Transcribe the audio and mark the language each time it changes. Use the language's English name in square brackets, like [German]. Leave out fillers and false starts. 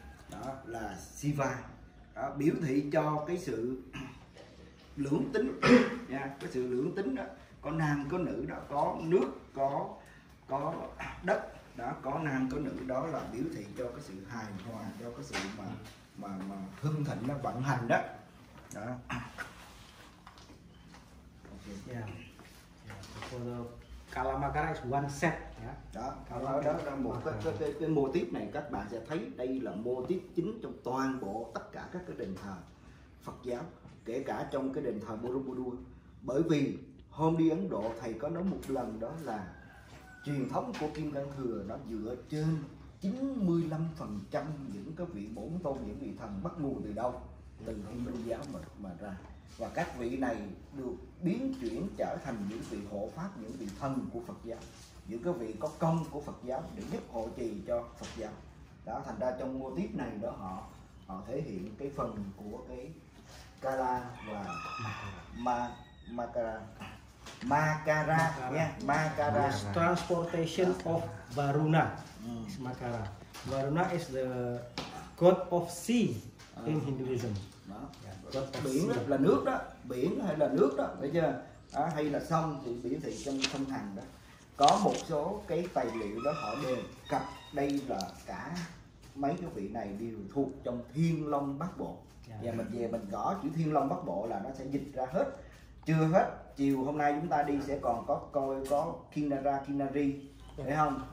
[Vietnamese] Đó là Shiva. Đó, biểu thị cho cái sự lưỡng tính nha, cái sự lưỡng tính đó, có nam có nữ đó, có nước có đất. Đó, có nam có nữ đó là biểu thị cho cái sự hài hòa, cho cái sự mà hưng thịnh nó vận hành đó. Đó. [English] Okay. Yeah. Yeah. For the Kalamakara is one set. [Vietnamese] Đó, đó một cái mô típ này các bạn sẽ thấy đây là mô típ chính trong toàn bộ tất cả các cái đền thờ Phật giáo, kể cả trong cái đền thờ Borobudur. Bởi vì hôm đi Ấn Độ thầy có nói một lần đó là truyền thống của Kim Cang Thừa nó dựa trên 95% những cái vị bổn tôn, những vị thần bắt nguồn từ đâu? Từ Hindu giáo mà ra. Và các vị này được biến chuyển trở thành những vị hộ pháp, những vị thần của Phật giáo, những cái vị có công của Phật giáo để giúp hộ trì cho Phật giáo. Đó, thành ra trong mô típ này đó họ thể hiện cái phần của cái Kala và Makara. Makara nha, Makara [English] is transportation of Varuna. Makara. Varuna is the god of sea in Hinduism. [Vietnamese] Đó. Yeah. Biển đó, là nước đó, biển hay là nước đó, phải chưa? À, hay là sông thì biển thì trong sông Hằng đó. Có một số cái tài liệu đó họ đề cập đây là cả mấy cái vị này đều thuộc trong Thiên Long Bát Bộ. Yeah. Và mình về mình gõ chữ Thiên Long Bát Bộ là nó sẽ dịch ra hết. Chưa hết, chiều hôm nay chúng ta đi sẽ còn có coi có Kinara, Kinari, thấy không?